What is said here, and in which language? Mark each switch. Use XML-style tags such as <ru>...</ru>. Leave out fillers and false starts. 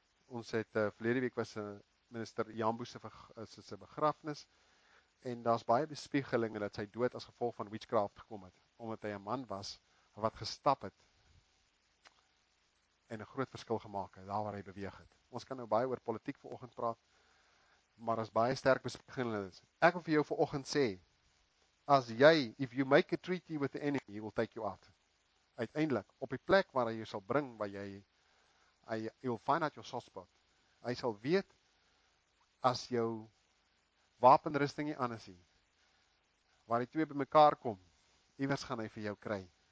<af>Ons het, verlede week was minister Jambo se begrafnis, en daar is baie bespiegelinge dat sy dood as gevolg van witchcraft gekom het, omdat hy 'n man was wat gestap het en 'n groot verskil gemaak het daar waar hy beweeg het. Ons kan nou baie oor politiek vanoggend praat, maar as baie sterk bespiegelings. Ek wil vir jou vanoggend sê, as jy,</af> <en>if you make a treaty with the enemy, he will take you out.</en> <af>Uiteindelik op die plek waar hy jou sal bring, waar jy</af> <en>he will find out your soft spot.</en> <af>Hy sal weet as jou wapenrusting nie aan is nie, waar die twee bymekaar kom, iewers gaan hy vir jou kry.</af>